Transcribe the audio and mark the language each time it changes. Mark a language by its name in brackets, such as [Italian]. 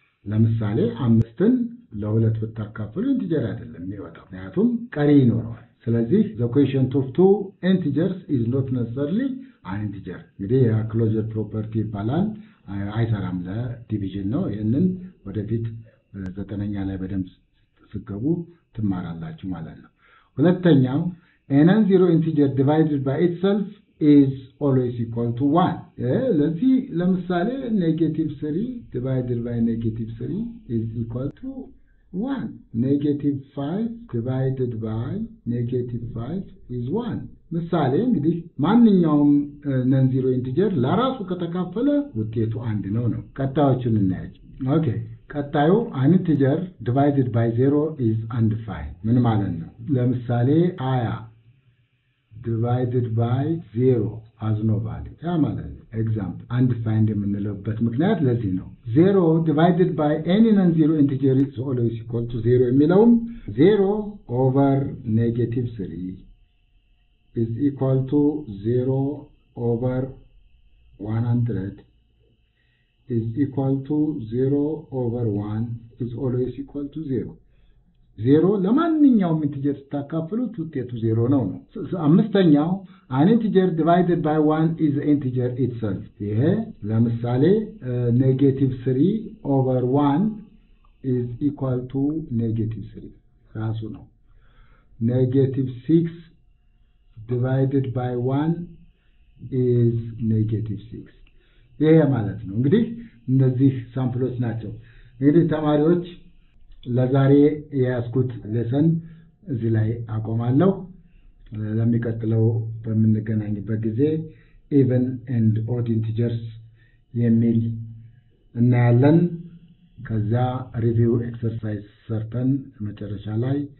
[Amharic] ለምሳሌ 5ን ለሁለት ብታካፍሉ integer አይደለም ይወጣ፣ ምክንያቱም ቀሪ ይኖረዋል። ስለዚህ [English] the quotient of two integers is not necessarily an integer። [Amharic] እንግዲህ ያ closure property ይባላል፣ አይሰራም ለdivision ነው። ይሄንን ወደፊት ዘጠነኛ ላይ በደንብ ስገቡ ትማራላችሁ ማለት ነው። ሁለተኛው [English] a non-zero integer divided by itself is always equal to 1. [Amharic] ለዚህ ለምሳሌ [English] negative 3 divided by negative 3 is equal to 1. negative 5 divided by negative 5 is 1. [Amharic] ምሳሌ እንግዲህ ማንኛውም non-zero integer ለራሱ ከተካፈለ ውጤቱ 1 ነው ነው። ቀጣዮቹን እናያቸው። ኦኬ ቀጣዩ [English] an integer divided by 0 is undefined [Amharic] ምን ማለት ነው? [English] ለምሳሌ 20 divided by 0 has no value [Amharic] ያ ማለት ነው። [English] example undefined [Amharic] የምንለውበት ምክንያት ለዚህ ነው። [English] 0 divided by any non-zero integer is always equal to 0 የሚለውም 0 over negative 3 is equal to 0 over 100 is equal to 0 over 1 is always equal to 0. [Amharic] 0 ለማንኛውም integer ስታካፍሉት ውጤቱ 0 ነው ነው። [English] አምስተኛው an integer divided by 1 is an integer itself. ይሄ ለምሳሌ negative 3 over 1 is equal to negative 3 [Amharic] ራሱ ነው። [English] negative 6 [Amharic] divided by 1 is negative 6 ይሄ ማለት ነው። እንግዲህ እነዚህ ሳምፕሎች ናቸው። እንግዲህ ተማሪዎች ለዛሬ ያስኩት ለሰን እዚህ ላይ አቆማለሁ። ለሚቀጥለው በምንገናኝበት ጊዜ [English] even and odd integers [Amharic] የሚል እናያለን። ከዛ ሪቪው ኤክሰርሳይዝ ሰርተን መጨረሻ ላይ